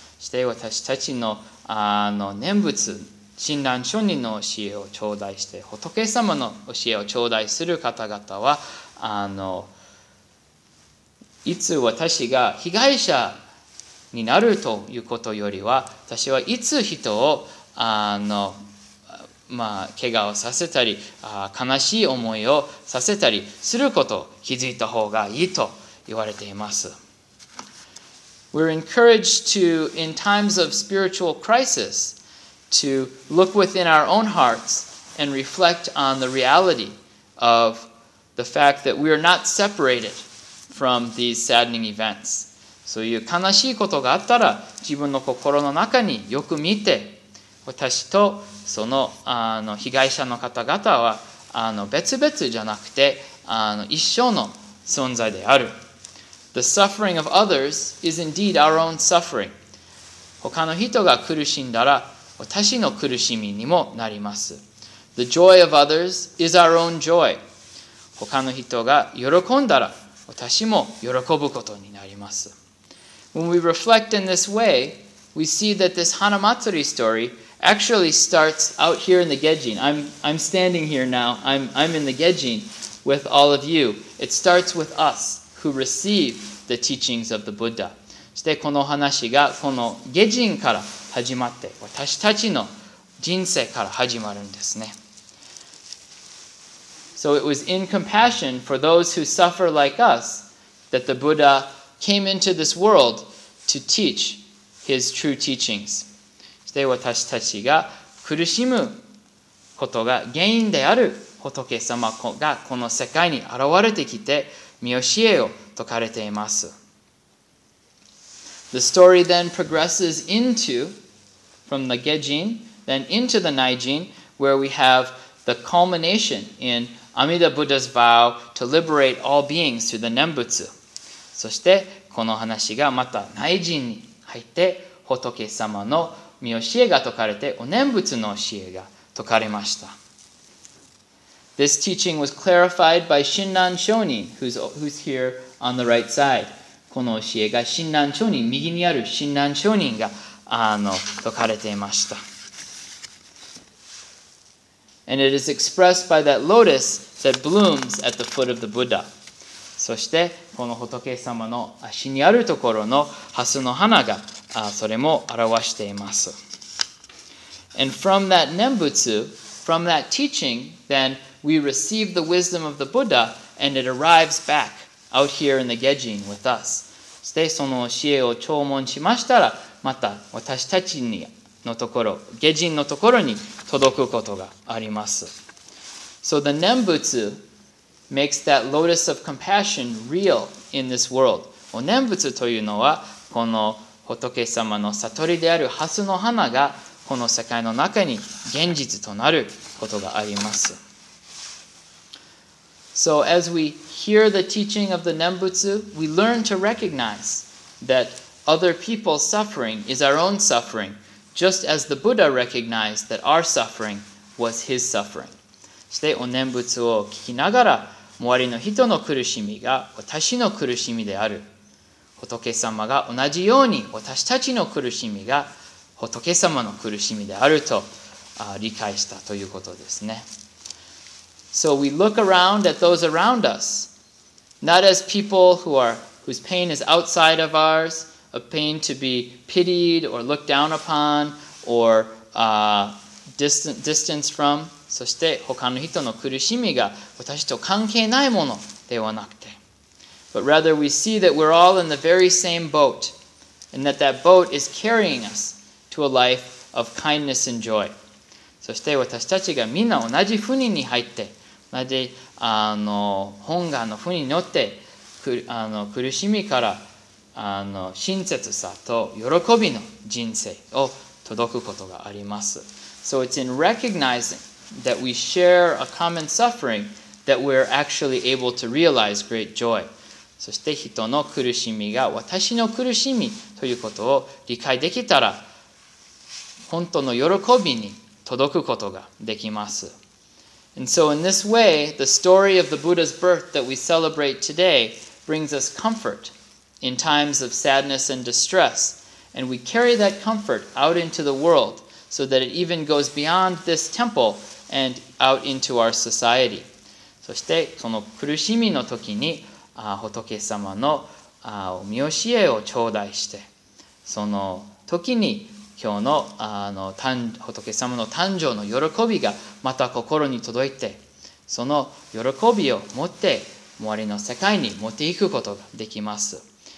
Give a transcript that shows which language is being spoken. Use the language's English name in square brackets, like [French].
[Japanese] して私たちの、あの念仏、Shinran Shonin の教えを頂戴して、仏様の教えを頂戴する方々は、あのいつ私が被害者になるということよりは私はいつ人をあの、まあ、怪我をさせたり悲しい思いをさせたりすることを気づいた方がいいと言われています。 [English] We're encouraged to, in times of spiritual crisis, to look within our own hearts and reflect on the reality of the fact that we are not separated. From these saddening events. [Japanese] そういう悲しいことがあったら自分の心の中によく見て私とその、 あの被害者の方々はあの別々じゃなくてあの一緒の存在である。 [English] The suffering of others is indeed our own suffering. [Japanese] 他の人が苦しんだら私の苦しみにもなります。 [English] The joy of others is our own joy. [Japanese] 他の人が喜んだら私も喜ぶことになります。 [English] When we reflect in this way, we see that this Hanamatsuri story actually starts out here in the Gejin. I'm standing here now. I'm in the Gejin with all of you. It starts with us who receive the teachings of the Buddha. [Japanese] そしてこの話がこの Gejin から始まって、私たちの人生から始まるんですね。 [English] So it was in compassion for those who suffer like us that the Buddha came into this world to teach his true teachings. [Japanese] そして私たちが苦しむことが原因である仏様がこの世界に現れてきて御教えを説かれています。 [English] The story then progresses into, from the Gejin, then into the Naijin, where we have the culmination in Amida Buddha's vow to liberate all beings through the Nembutsu. [Japanese] そしてこの話がまた内陣に入って仏様の御教えが説かれてお念仏の教えが説かれました。 [English] This teaching was clarified by Shinran Shonin, who's here on the right side. [Japanese] この教えが Shinran Shonin、右にある Shinran Shonin が説かれていました。 [English] And it is expressed by that lotus that blooms at the foot of the Buddha. [Japanese] そしてこの仏様の足にあるところの蓮の花がそれも表しています。 [English] And from that Nembutsu, from that teaching, then we receive the wisdom of the Buddha and it arrives back out here in the Gejin with us. [Japanese] そしてその教えを聴聞しましたら、また私たちにのところ、下人のところに届くことがあります。 [English] So the Nembutsu makes that lotus of compassion real in this world. [Japanese] お念仏というのは、この仏様の悟りである蓮の花が、この世界の中に現実となることがあります。 [English] So as we hear the teaching of the Nembutsu, we learn to recognize that other people's suffering is our own suffering. Just as the Buddha recognized that our suffering was his suffering. [Japanese] そしてお念仏を聞きながら、周りの人の苦しみが私の苦しみである。仏様が同じように私たちの苦しみが仏様の苦しみであると理解したということですね。 [English] So we look around at those around us, not as people whose pain is outside of ours,A pain to be pitied or looked down upon or distanced from. [Japanese] そして他の人の苦しみが私と関係ないものではなくて。 [English] But rather we see that we're all in the very same boat and that that boat is carrying us to a life of kindness and joy. [Japanese] そして私たちがみんな同じ船に入って、同じ本願の船に乗って苦しみから親切さと喜びの人生を届くことがあります。 [English] So it's in recognizing that we share a common suffering that we're actually able to realize great joy. [Japanese] そして人の苦しみが私の苦しみということを理解できたら、本当の喜びに届くことができます。 [English] And so in this way, the story of the Buddha's birth that we celebrate today brings us comfort. In times of sadness and distress, and we carry that comfort out into the world so that it even goes beyond this temple and out into our society. [Japanese] そしてその苦しみの時に仏様の御教えを頂戴して、その時に今日の仏様の誕生の喜びがまた心に届いて、その喜びを持って周りの世界に持っていくことができます。